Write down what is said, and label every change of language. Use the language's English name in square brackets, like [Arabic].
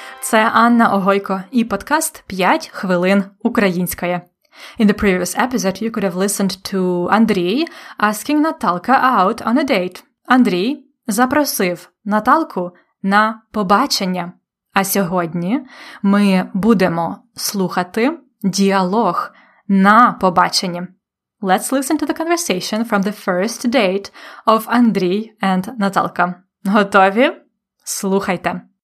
[Ukrainian] Це Анна Огойко і подкаст «5 хвилин української». [English] In the previous episode, you could have listened to Андрій asking Наталка out on a date. [Ukrainian] Андрій запросив Наталку на побачення. А сьогодні ми будемо слухати діалог на побаченні. [English] Let's listen to the conversation from the first date of Андрій and Наталка. [Ukrainian] Готові? Слухайте.